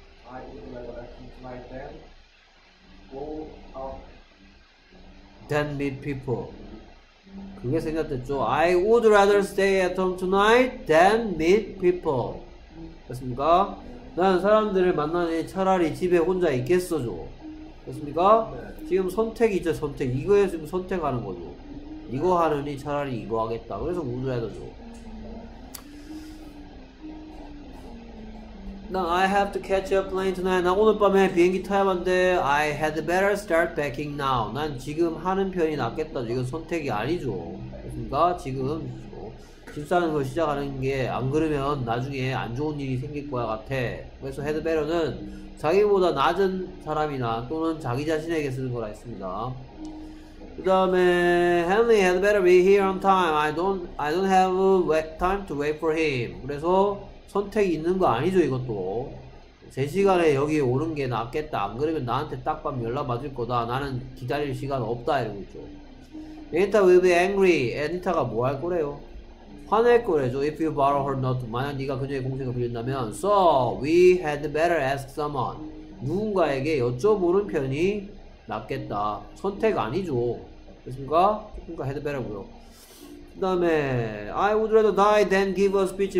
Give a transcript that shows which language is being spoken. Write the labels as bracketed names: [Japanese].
[English] I would rather at home tonight than go out than meet people. [Korean] 그게 생각됐죠. [English] I would rather stay at home tonight than meet people. [Korean] 됐습니까? 나는 사람들을 만나니 차라리 집에 혼자 있겠어죠. 됐습니까? 지금 선택이죠. 선택. 이거에 지금 선택하는 거죠. 이거 하느니 차라리 이거 하겠다. 그래서 would rather죠. 난 [English] I have to catch a plane tonight. [Korean] 나 오늘 밤에 비행기 타야 한대. [English] I had better start packing now. [Korean] 난 지금 하는 편이 낫겠다. 이건 선택이 아니죠. 그러니까 지금 집 사는 걸 시작하는 게 안 그러면 나중에 안 좋은 일이 생길 거야 같아. 그래서 had better는 자기보다 낮은 사람이나 또는 자기 자신에게 쓰는 거라 했습니다. 그 다음에 [English] Henry had better be here on time. I don't have time to wait for him. [Korean] 그래서 선택이 있는 거 아니죠 이것도. 제 시간에 여기 오는 게 낫겠다. 안 그러면 나한테 딱 밤 연락 받을 거다. 나는 기다릴 시간 없다 이러고 있죠. [English] Anita will be angry. [Korean] Anita가 뭐 할 거래요? 화낼 거래죠. [English] If you borrow her note. [Korean] 만약 네가 그녀의 공책을 빌린다면. [English] So we had better ask someone. [Korean] 누군가에게 여쭤보는 편이 낫겠다. 선택 아니죠. 됐습니까? 그러니까 had better고요. 그 다음에 [English] I would rather die than give a speech.